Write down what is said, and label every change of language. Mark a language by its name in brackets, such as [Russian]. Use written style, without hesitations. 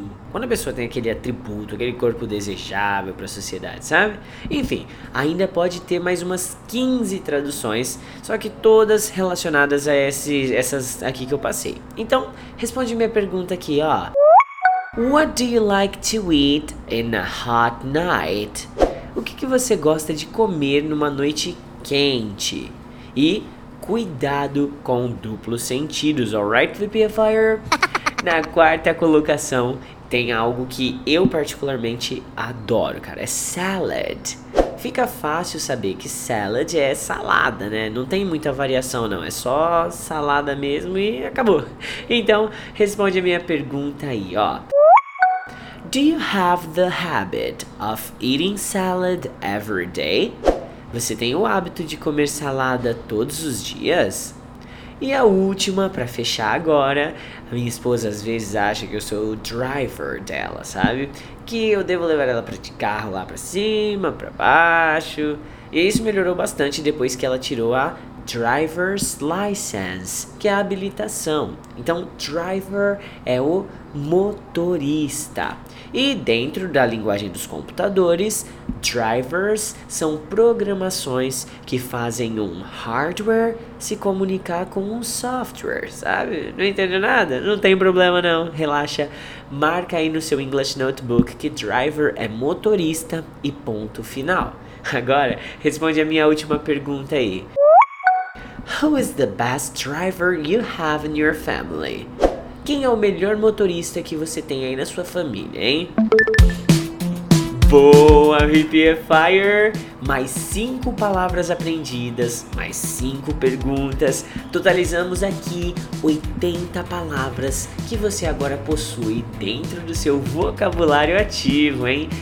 [Portuguese] Quando a pessoa tem aquele atributo, aquele corpo desejável para a sociedade, sabe? Enfim, ainda pode ter mais umas 15 traduções, só que todas relacionadas a essas aqui que eu passei. Então, responde minha pergunta aqui, ó. [English] What do you like to eat in a hot night? [Portuguese] O que, que você gosta de comer numa noite quente? E cuidado com duplos sentidos, alright, VPFire? Na quarta colocação tem algo que eu particularmente adoro, cara, é salad. Fica fácil saber que salad é salada, né? Não tem muita variação, não. É só salada mesmo e acabou. Então, responde a minha pergunta aí, ó. [English] Do you have the habit of eating salad every day? [Portuguese] Você tem o hábito de comer salada todos os dias? E a última, pra fechar agora, a minha esposa às vezes acha que eu sou o driver dela, sabe? Que eu devo levar ela pra de carro lá pra cima, pra baixo. E isso melhorou bastante depois que ela tirou a [English] driver's license, [Portuguese] que é a habilitação. Então, driver é o motorista. E dentro da linguagem dos computadores, drivers são programações que fazem um hardware se comunicar com um software, sabe? Não entendeu nada? Não tem problema não, relaxa. Marca aí no seu [English] English Notebook [Portuguese] que driver é motorista e ponto final. Agora, responde a minha última pergunta aí. [English] Who is the best driver you have in your family? [Portuguese] Quem é o melhor motorista que você tem aí na sua família, hein? Boa, VPFire! Mais 5 palavras aprendidas, mais 5 perguntas. Totalizamos aqui 80 palavras que você agora possui dentro do seu vocabulário ativo, hein?